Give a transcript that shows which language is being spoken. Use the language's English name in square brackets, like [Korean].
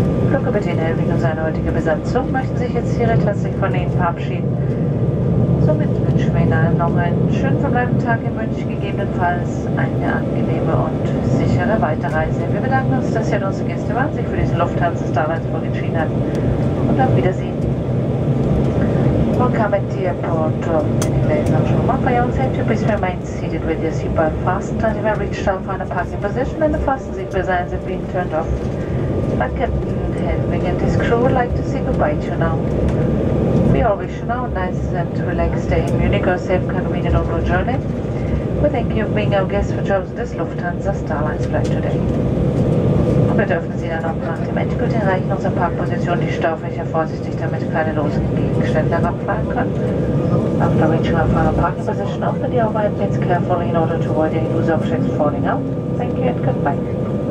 [German] Flugkapitän Helwig und seine heutige Besatzung möchten sich jetzt hier recht herzlich von Ihnen verabschieden. Somit wünschen wir Ihnen noch einen schönen verbleibenden Tag in München, gegebenenfalls eine angenehme und sichere Weiterreise. Wir bedanken uns, dass Sie an unsere Gäste waren, sich für diesen Lufthansa-Starlines-Flug entschieden hatten. Und auf Wiedersehen. [English] Welcome at the airport. Ladies and gentlemen, for your safety, please remain seated with your seatbelt fastened. You have reached our final parking position and the fasten seatbelt signs have been turned off. My Captain Helwig and his crew would like to say goodbye to you now. We all wish you now a nice and relaxed day in Munich, a safe, convenient, on board journey. We thank you for being our guest for choosing this Lufthansa Starlines flight today. [German] Bitte öffnen Sie dann auch nach dem endgültigen Erreichen unserer Parkposition die Staufächer vorsichtig, damit keine losen Gegenstände herabfallen können. [English] After reaching our final parking position, open the overhead bins carefully in order to avoid any loose objects falling out. Thank you and goodbye.